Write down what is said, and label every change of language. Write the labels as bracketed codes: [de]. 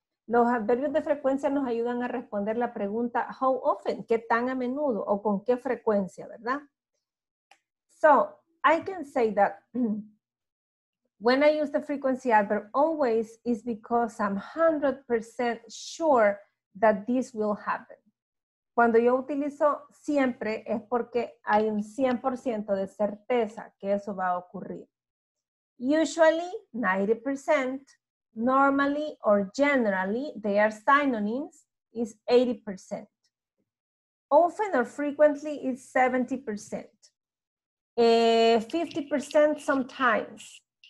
[es] Los adverbios de frecuencia nos ayudan a responder la pregunta, [en] how often? [es] ¿Qué tan a menudo? ¿O con qué frecuencia? ¿Verdad? [en] So, I can say that when I use the frequency adverb always, is because I'm 100% sure that this will happen. [es] Cuando yo utilizo siempre, es porque hay un 100% de certeza que eso va a ocurrir. [en] Usually, 90%, normally or generally, they are synonyms, is 80%. Often or frequently is 70%. 50% sometimes.